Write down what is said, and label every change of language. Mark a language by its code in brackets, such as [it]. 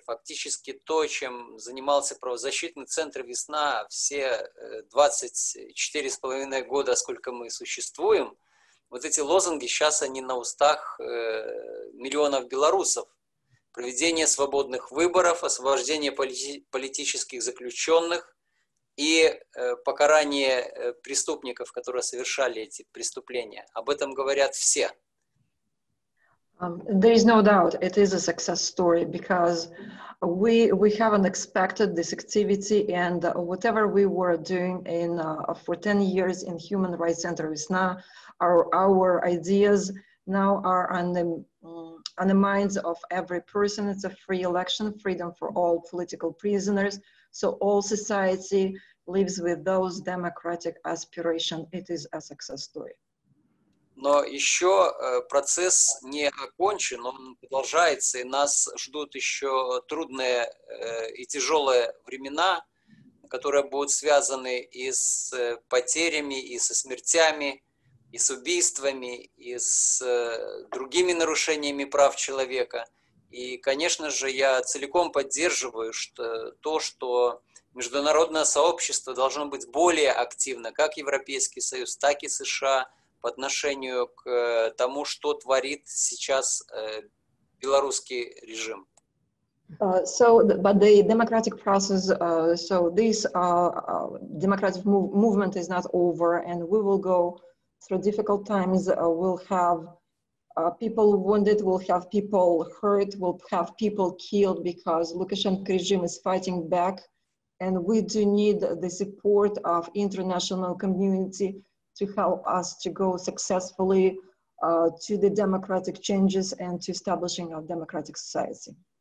[ru] Фактически то, чем занимался правозащитный центр «Весна» все 24,5 года, сколько мы существуем, вот эти лозунги сейчас они на устах миллионов белорусов. Проведение свободных выборов, освобождение политических заключенных и покарание преступников, которые совершали эти преступления. Об этом говорят все. [en] There is no doubt it is a success story, because we haven't expected this activity, and whatever we were doing in for 10 years in Human Rights Center Visna, our ideas now are on the minds of every person. It's a free election, freedom for all political prisoners. So all society lives with those democratic aspirations. It is a success story. [ru] Но еще процесс не окончен, он продолжается, и нас ждут еще трудные и тяжелые времена, которые будут связаны и с потерями, и со смертями, и с убийствами, и с другими нарушениями прав человека. И, конечно же, я целиком поддерживаю что международное сообщество должно быть более активно, как Европейский Союз, так и США, по отношению к тому, что творит сейчас белорусский режим. [en] But the democratic process, democratic movement is not over, and we will go through difficult times. We'll have people wounded, we'll have people hurt, we'll have people killed, because Lukashenko regime is fighting back, and we do need the support of international community to help us to go successfully to the democratic changes and to establishing a democratic society.